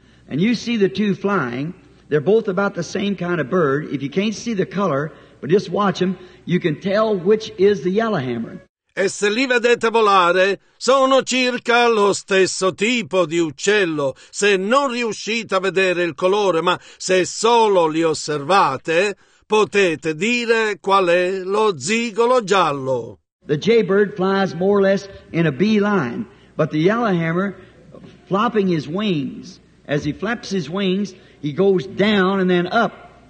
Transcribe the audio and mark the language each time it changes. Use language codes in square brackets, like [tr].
[en] And you see the two flying, they're both about the same kind of bird. If you can't see the color, but just watch them, you can tell which is the yellowhammer. [it] E se li vedete volare, sono circa lo stesso tipo di uccello. Se non riuscite a vedere il colore, ma se solo li osservate, potete dire qual è lo zigolo giallo. [en] The jaybird flies more or less in a bee line, but the yellowhammer, flopping his wings, as he flaps his wings, he goes down and then up.